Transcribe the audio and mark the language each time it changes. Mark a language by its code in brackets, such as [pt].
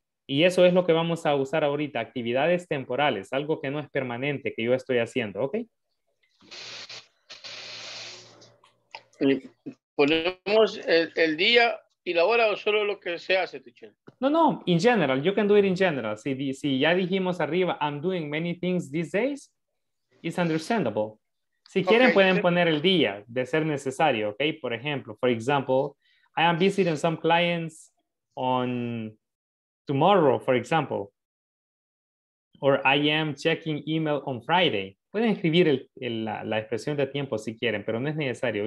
[es] Y eso es lo que vamos a usar ahorita, actividades temporales, algo que no es permanente, que yo estoy haciendo, ¿ok? ¿Ponemos el día y la hora o solo lo que se hace, teacher? [en] No, no, in general, you can do it in general. Si ya dijimos arriba, I'm doing many things these days, it's understandable. [es] Si quieren, okay, pueden poner el día de ser necesario, ¿ok? [en] Por ejemplo, for example, I am visiting some clients on tomorrow, for example. Or I am checking email on Friday. [es] Pueden escribir la expresión de tiempo si quieren, pero no es necesario.